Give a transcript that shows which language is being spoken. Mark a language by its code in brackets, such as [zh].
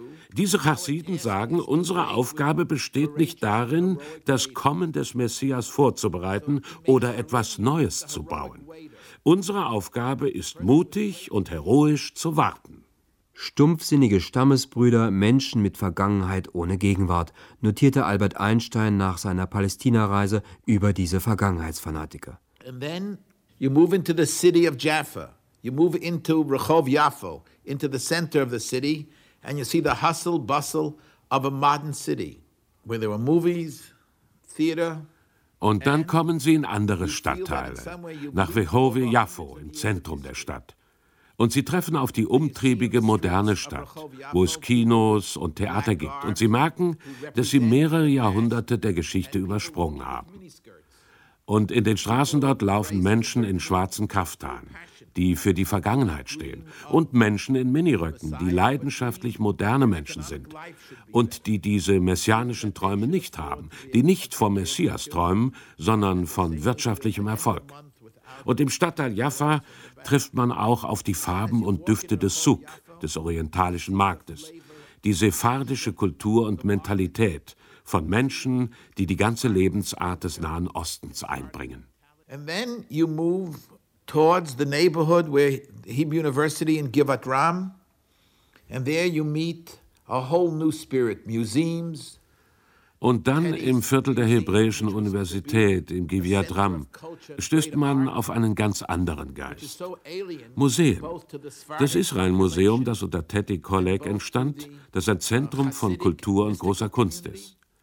[de] Diese Chassiden sagen, unsere Aufgabe besteht nicht darin, das Kommen des Messias vorzubereiten oder etwas Neues zu bauen. Unsere Aufgabe ist, mutig und heroisch zu warten. Stumpfsinnige Stammesbrüder, Menschen mit Vergangenheit ohne Gegenwart, notierte Albert Einstein nach seiner Palästina-Reise über diese Vergangenheitsfanatiker. [en] And then you move into the city of Jaffa. You move into Rehov Yafo, into the center of the city, and you see the hustle bustle of a modern city, where there were movies, theater. [de] Und dann kommen sie in andere Stadtteile, nach Rehove Yafo, im Zentrum der Stadt. Und sie treffen auf die umtriebige, moderne Stadt, wo es Kinos und Theater gibt. Und sie merken, dass sie mehrere Jahrhunderte der Geschichte übersprungen haben. Und in den Straßen dort laufen Menschen in schwarzen Kaftan, die für die Vergangenheit stehen. Und Menschen in Miniröcken, die leidenschaftlich moderne Menschen sind und die diese messianischen Träume nicht haben, die nicht vom Messias träumen, sondern von wirtschaftlichem Erfolg. Und im Stadtteil Jaffa trifft man auch auf die Farben und Düfte des Souk, des orientalischen Marktes, die sephardische Kultur und Mentalität von Menschen, die die ganze Lebensart des Nahen Ostens einbringen. [en] And then you move towards the neighborhood where Hebrew University in Givat Ram, and there you meet a whole new spirit, museums. [de] Und dann im Viertel der Hebräischen Universität in Givat Ram stößt man auf einen ganz anderen Geist. Museen. Das Israel-Museum, das unter Teti Kollek entstand, das ein Zentrum von Kultur und großer Kunst ist.